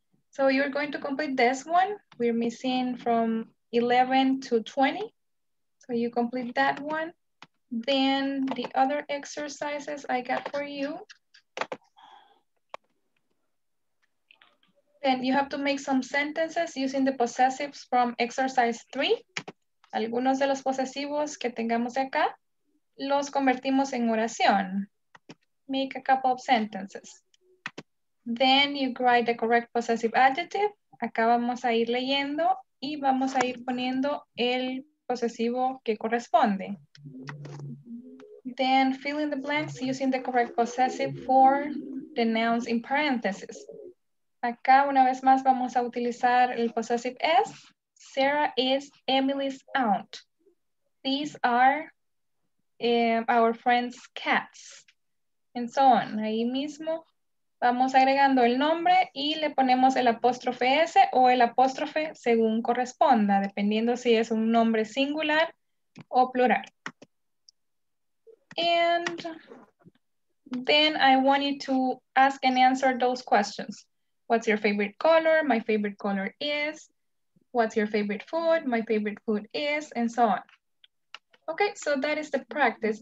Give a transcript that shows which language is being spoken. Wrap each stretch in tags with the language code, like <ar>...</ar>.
<en>So you're going to complete this one. We're missing from 11 to 20. So you complete that one. Then the other exercises I got for you. Then you have to make some sentences using the possessives from exercise 3.</en> <es>Algunos de los posesivos que tengamos de acá los convertimos en oración.</es> <en>Make a couple of sentences. Then you write the correct possessive adjective.</en> <es>Acá vamos a ir leyendo y vamos a ir poniendo el posesivo que corresponde.</es> <en>Then fill in the blanks using the correct possessive for the nouns in parentheses.</en> <es>Acá una vez más vamos a utilizar el possessive es.</es> <en>Sarah is Emily's aunt. These are our friend's cats. And so on.</en> <es>Ahí mismo vamos agregando el nombre y le ponemos el apóstrofe S o el apóstrofe según corresponda, dependiendo si es un nombre singular o plural.</es> <en>And then I want you to ask and answer those questions. What's your favorite color? My favorite color is. What's your favorite food? My favorite food is, and so on. Okay, so that is the practice.</en>